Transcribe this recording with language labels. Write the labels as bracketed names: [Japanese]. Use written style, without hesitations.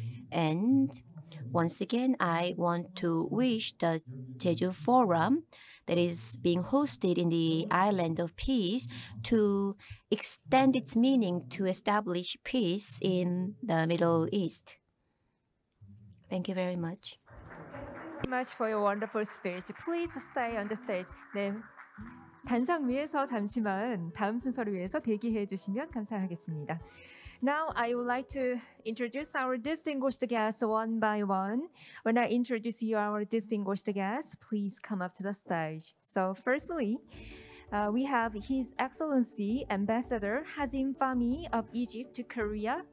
[English] And once again, I want to wish the Jeju Forum that is being hosted in the Island of Peace to extend its meaning to establish peace in the Middle East. Thank you very much. Thank you very much for your wonderful speech. Please stay on the stage. [Korean] 네, 단상 위에서 잠시만 다음 순서를 위해서 대기해 주시면 감사하겠습니다. [English] Now I would like to introduce our distinguished guests one by one. When I introduce you, our distinguished guests, please come up to the stage. So firstly, we have His Excellency Ambassador Hazim Fahmy of Egypt to Korea.